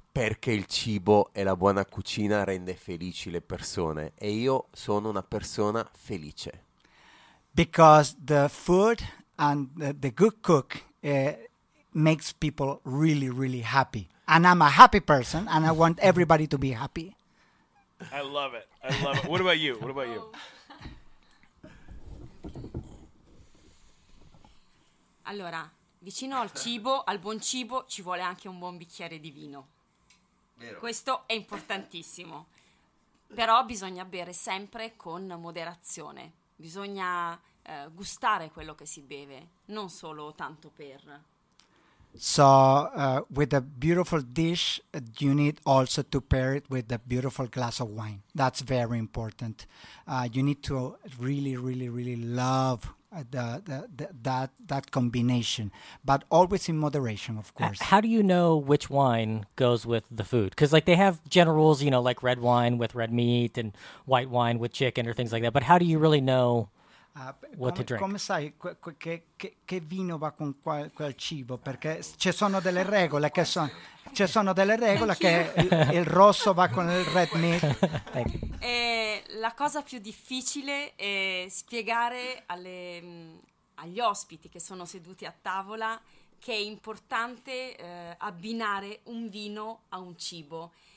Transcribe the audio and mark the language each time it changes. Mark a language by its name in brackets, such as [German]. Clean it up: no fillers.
[Italian] Perché il cibo e la buona cucina rende felici le persone e io sono una persona felice. [English] Because the food and the good cook makes people really, really happy. And I'm a happy person and I want everybody to be happy. I love it. What about you? [Italian] Allora, vicino al cibo, al buon cibo, ci vuole anche un buon bicchiere di vino. Vero. Questo è importantissimo, però bisogna bere sempre con moderazione, bisogna gustare quello che si beve, non solo tanto per. [English] So, with a beautiful dish, you need also to pair it with a beautiful glass of wine. That's very important. You need to really, really, really love that combination, but always in moderation, of course. How do you know which wine goes with the food? Because, like, they have general rules, you know, like red wine with red meat and white wine with chicken or things like that. But how do you really know what to drink? [Italian] Come sai che vino va con quel cibo? Perché ci sono delle regole che sono. Ci sono delle regole che il rosso va con il [English] red meat. [Italian] E la cosa più difficile è spiegare agli ospiti che sono seduti a tavola che è importante abbinare un vino a un cibo.